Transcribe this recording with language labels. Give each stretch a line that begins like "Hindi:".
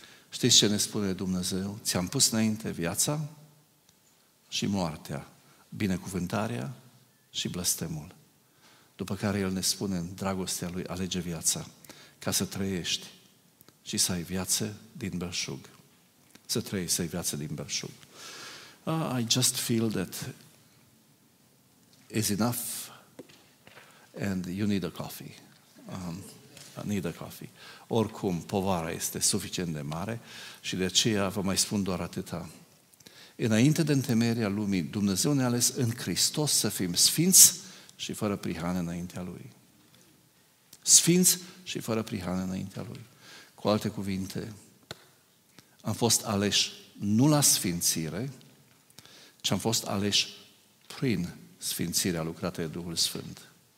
Romanian: Știți ce ne spune Dumnezeu? Ți-am pus înainte viața și moartea, binecuvântarea și blestemul. După care El ne spune în dragostea Lui, alege viața ca să trăiești și să ai viață din belșug. Să trăiești, să ai viață din belșug.
English: I just feel that is enough and you need a coffee. I need a coffee.
Romanian: Oricum, povara este suficient de mare și de aceea vă mai spun doar atâta. Înainte de întemeierea lumii, Dumnezeu ne-a ales în Hristos să fim sfinți și fără prihană înaintea Lui. Sfinți și fără prihană înaintea Lui. Cu alte cuvinte, am fost aleși nu la sfințire, ci am fost aleși prin sfințirea lucrată de Duhul Sfânt.